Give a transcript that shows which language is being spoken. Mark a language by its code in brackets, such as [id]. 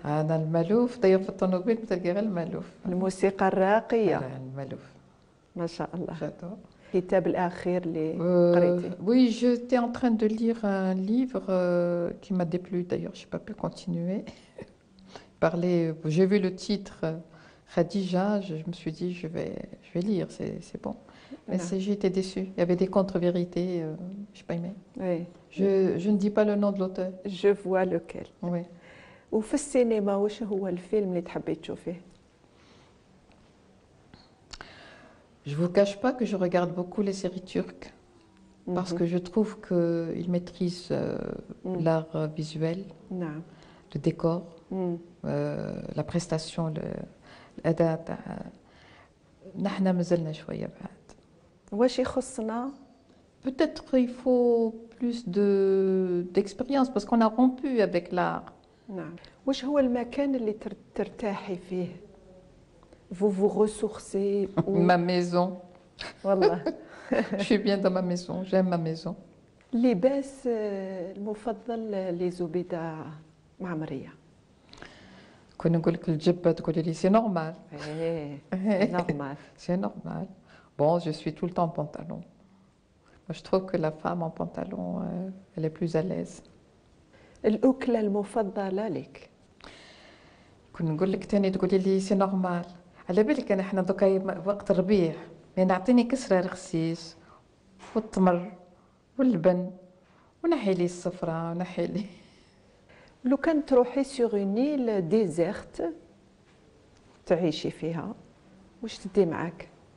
[ar] انا المالوف طيب في الطنوبيل بتلقى غير المالوف. الموسيقى الراقية انا المالوف ما شاء الله. [fr] جادور. [ar] الكتاب الأخير اللي قريتي؟ [fr] Oui, j'étais en train de lire un livre qui m'a déplu. D'ailleurs, je n'ai pas pu continuer. Parler. J'ai vu le titre Khadija. Je me suis dit, je vais lire. C'est bon. Mais Non. j'ai été déçue. Il y avait des contre-vérités. Je n'ai pas aimé. Oui. Je ne dis pas le nom de l'auteur. Je vois lequel. Oui. [ar] Ou في السينما واش هو الفيلم اللي تحبي تشوفيه؟ [fr] Je vous cache pas que je regarde beaucoup les séries turques. Parce que je trouve qu'ils maîtrisent l'art visuel, [ar] نعم. [fr] le décor, la prestation, l'adat. Nous sommes un peu plus loin. [ar] واش يخصنا؟ [fr] Peut-être qu'il faut plus d'expérience, parce qu'on a rompu avec l'art. [ar] نعم. واش هو المكان اللي ترتاحي فيه؟ [fr] vous ressourcez ou Ma maison. [ar] والله [fr] Je suis bien dans ma maison, j'aime ma maison. [ar] لباس المفضل لزبيدة معمرية؟ كنا نقول لك الجبة تقول لي سي نورمال. ايه نورمال. سي نورمال. [fr] Bon, je suis tout le temps en pantalon. Moi, je trouve que la femme en pantalon, elle est plus à l'aise. [ar] الأكلة المفضلة لك؟ كنا نقول لك تاني تقولي لي سي نورمال. على بالك انا احنا دوكا وقت ربيع. يعني نعطيني كسرة رخسيس والتمر واللبن ونحي لي الصفرة ونحي لي لو كان تروحي سوغ نيل ديزيرت تعيشي فيها واش تدي معاك؟